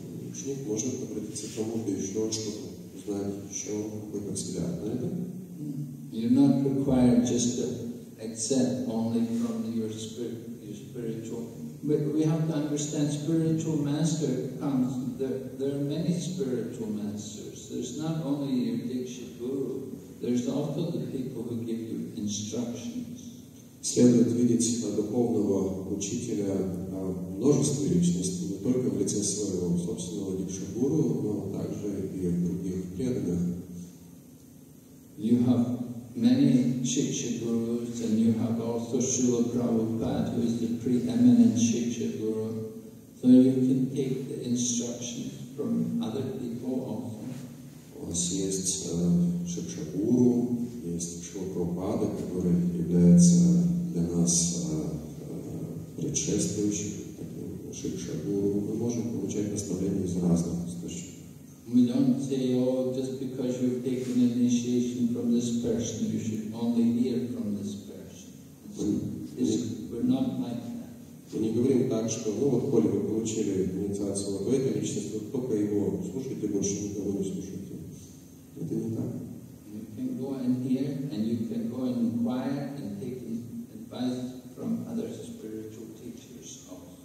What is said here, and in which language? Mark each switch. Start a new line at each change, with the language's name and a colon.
Russian: Ученик может обратиться к кому-то еще, чтобы узнать еще какой-то взгляд на это.
English: You're not required just to accept only from your spiritual. But we have to understand spiritual master comes. There are many spiritual masters. There's not only your Diksha Guru. There's also the people who give you instructions.
Russian: Следует видеть духовного учителя множество личностей, не только в лице своего собственного Диксха Гуру, но также и в других преданных.
English: You have many Shiksha Gurus, and you have also Srila Prabhupada, who is the preeminent Shiksha Guru. So you can take the instructions from other people also.
Russian: У вас есть Шикша Гуру, есть Шрила Прабхупада, который является для нас предшествующим таким Шикша Гуру. Мы можем получать наставления из разных источников.
English: We don't say, oh, just because you've taken initiation from this person, you should only hear from this person. We're not like that.
Russian: Мы не говорим так, что, ну вот, коли вы получили инициацию в этой личности, только его слушайте, больше никого не слушайте. Это не так.
English: You can go and hear, and you can go and inquire, and take advice from other spiritual teachers also.